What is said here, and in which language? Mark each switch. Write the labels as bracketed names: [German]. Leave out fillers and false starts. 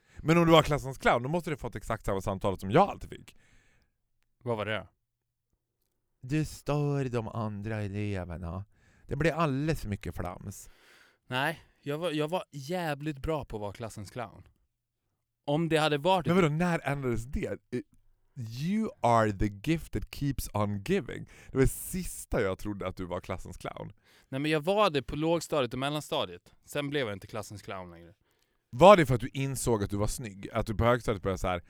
[Swedish] Men om du var klassens clown, då måste du fått exakt samma samtal som jag alltid fick. Vad var det? Du stör de andra eleverna. Det blir alldeles för mycket flams. Nej, jag var jävligt bra på att vara klassens clown. Om det hade varit... Men vadå, när ändrades det? [English] You are the gift that keeps on giving. [Swedish] Det var det sista jag trodde att du var klassens clown. Nej, men jag var det på lågstadiet och mellanstadiet. Sen blev jag inte klassens clown längre. Var det för att du insåg att du var snygg? Att du på högstadiet började så här...